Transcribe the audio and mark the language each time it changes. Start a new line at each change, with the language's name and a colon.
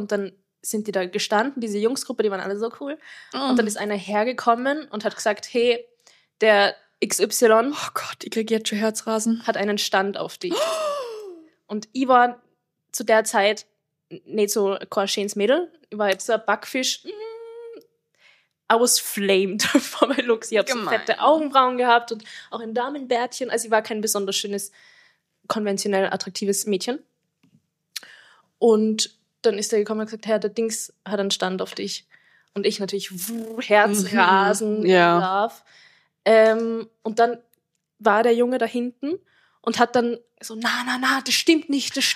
German: Und dann sind die da gestanden, diese Jungsgruppe, die waren alle so cool. Mm. Und dann ist einer hergekommen und hat gesagt, hey, der XY... Oh Gott, ich kriege jetzt schon Herzrasen. ...hat einen Stand auf dich. Und ich war zu der Zeit nicht so kein schönes Mädel. Ich war jetzt so ein Backfisch...
English: I was flamed for my looks.
German: Ich habe so fette Augenbrauen gehabt und auch ein Damenbärtchen. Also ich war kein besonders schönes, konventionell attraktives Mädchen. Und dann ist er gekommen und hat gesagt, Herr, der Dings hat einen Stand auf dich. Und ich natürlich Herzrasen, und dann war der Junge da hinten und hat dann so, na, das stimmt nicht.